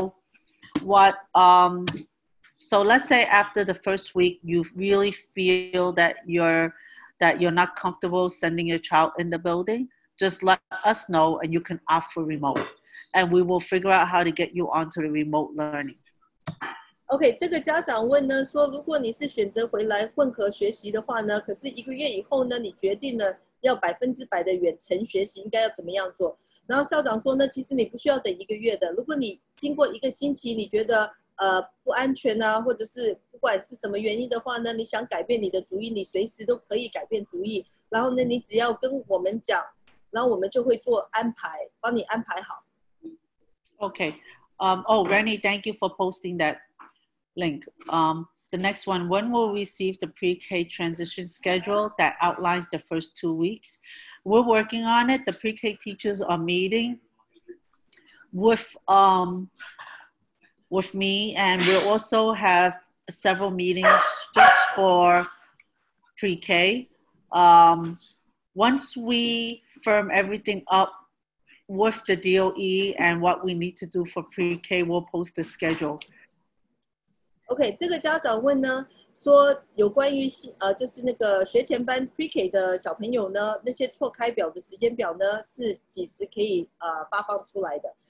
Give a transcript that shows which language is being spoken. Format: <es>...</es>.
<en>So, what, So let's say after the first week, you really feel that you're not comfortable sending your child in the building, just let us know and you can opt for remote. And we will figure out how to get you onto the remote learning.</en> <zh>Okay, 这个家长问呢，说如果你是选择回来混合学习的话呢，可是一个月以后呢，你决定了要百分之百的远程学习，应该要怎么样做？然后校长说呢，其实你不需要等一个月的，如果你经过一个星期，你觉得不安全啊，或者是不管是什么原因的话呢，你想改变你的主意，你随时都可以改变主意。然后呢，你只要跟我们讲，然后我们就会做安排，帮你安排好。</zh> <en>Okay, oh, Rennie, thank you for posting that link. The next one, when will we receive the pre-K transition schedule that outlines the first 2 weeks? We're working on it. The pre-K teachers are meeting with me, and we also have several meetings just for pre-K. Once we firm everything up with the DOE and what we need to do for pre-K, we'll post the schedule.</en> <zh>OK， 这个家长问呢，说有关于就是那个学前班 Pre-K 的小朋友呢，那些错开表的时间表呢，是几时可以发放出来的？</zh>